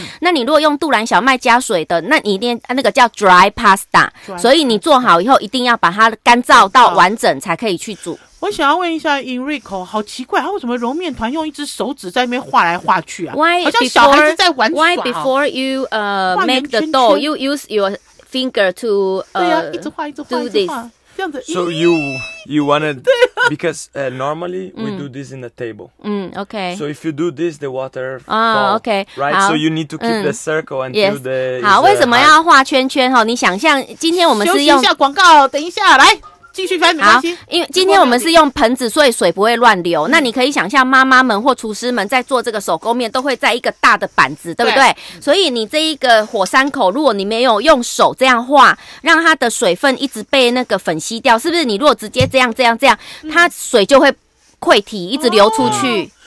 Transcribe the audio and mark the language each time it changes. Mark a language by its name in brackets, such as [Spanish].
[Chinese] 那你如果用杜兰小麦加水的，那你一定那个叫 dry pasta， 所以你做好以后一定要把它干燥到完整才可以去煮。我想要问一下 Enrico， 好奇怪，他为什么揉面团用一只手指在那边画来画去啊？ [English] Why [Chinese] 好像小孩子在玩耍。 [English] Why before you make the dough, you use your finger to [Chinese] 对啊，一直画一直画一直画。 [English] So you want to, because normally we do this in the table. Okay. So if you do this, the water falls. Okay. Right. So you need to keep the circle and do the. [Chinese] 好，为什么要画圈圈？哈，你想象今天我们是用休息一下广告，等一下来。继续翻没关系，因为今天我们是用盆子，所以水不会乱流。那你可以想象妈妈们或厨师们在做这个手工面，都会在一个大的板子，对不 对？所以你这一个火山口，如果你没有用手这样画，让它的水分一直被那个粉吸掉，是不是？你如果直接这样，它水就会溃堤，一直流出去。